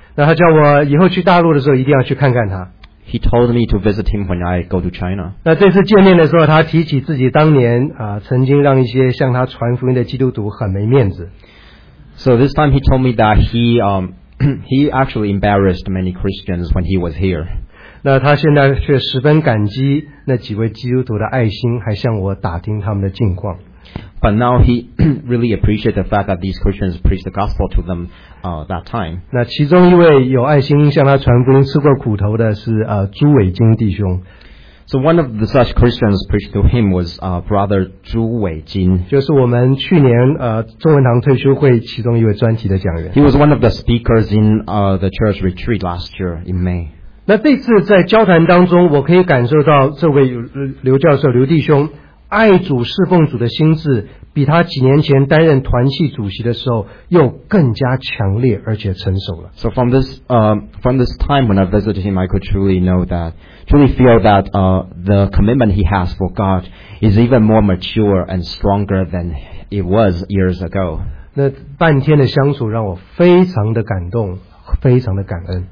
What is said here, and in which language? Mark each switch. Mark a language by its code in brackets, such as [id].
[zh] 那他叫我以后去大陆的时候一定要去看看他。 [en] He told me to visit him when I go to China. [zh] 那这次见面的时候，他提起自己当年曾经让一些向他传福音的基督徒很没面子。 [en] So this time he told me that he actually embarrassed many Christians when he was here. [zh] 那他现在却十分感激那几位基督徒的爱心，还向我打听他们的近况。 [en] But now he really appreciates the fact that these Christians preached the gospel to them that time. [zh] 那其中一位有爱心向他传福音吃过苦头的是朱伟京弟兄。 [en] So one of the such Christians preached to him was Brother 朱伟京。 [zh] 就是我们去年中文堂退休会其中一位专题的讲员。 [en] He was one of the speakers in the church retreat last year in May. [zh] 那这次在交谈当中，我可以感受到这位刘教授、刘弟兄爱主侍奉主的心智，比他几年前担任团契主席的时候又更加强烈而且成熟了。 [en] So from this time when I visited him, I could truly feel that the commitment he has for God is even more mature and stronger than it was years ago. [zh] 那半天的相处让我非常的感动，非常的感恩。